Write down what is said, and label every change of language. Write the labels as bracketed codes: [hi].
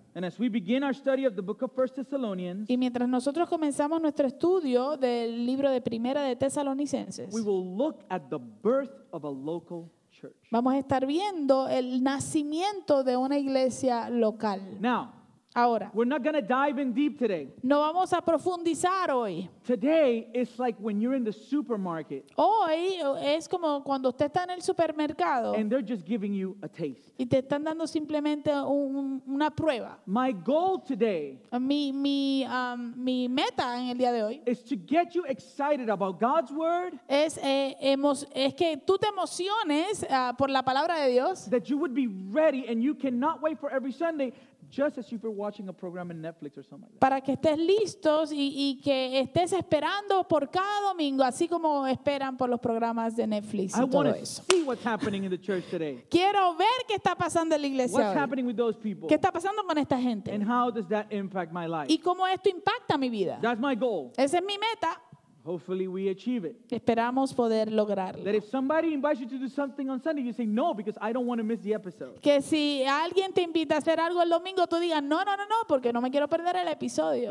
[en] And as we begin our study of the book of 1 Thessalonians, [es] y mientras nosotros comenzamos nuestro estudio del libro de Primera de Tesalonicenses, [en] we will look at the birth of a local church. [es] Vamos a estar viendo el nacimiento de una iglesia local. [en] Now, [es] Ahora, [en] we're not going to dive in deep today. [es] No vamos a profundizar hoy. [en] Today is like when you're in the supermarket. [es] Hoy es como cuando usted está en el supermercado. [en] And they're just giving you a taste. [es] Y te están dando simplemente una prueba. [en] My goal today. [es] Mi meta en el día de hoy. [en] Is to get you excited about God's word. [es] Es que tú te emociones por la palabra de Dios. [en] That you would be ready and you cannot wait for every Sunday. Just as if you're watching a program on Netflix or something like that. [es] Para que estés listos y que estés esperando por cada domingo, así como esperan por los programas de Netflix y todo eso. [en] I want to see what's happening in the church today. [es] Quiero ver qué está pasando en la iglesia. [en] What's [es] hoy. [en] Happening with those people? [es] ¿Qué está pasando con esta gente? [en] And how does that impact my life? [es] ¿Y cómo esto impacta mi vida? [en] That's my goal. [es] Esa es mi meta. [en] Hopefully we achieve it. [es] Esperamos poder lograrlo. [en] That if somebody invites you to do something on Sunday, you say no because I don't want to miss the episode. [es] Que si alguien te invita a hacer algo el domingo, tú digas no, porque no me quiero perder el episodio.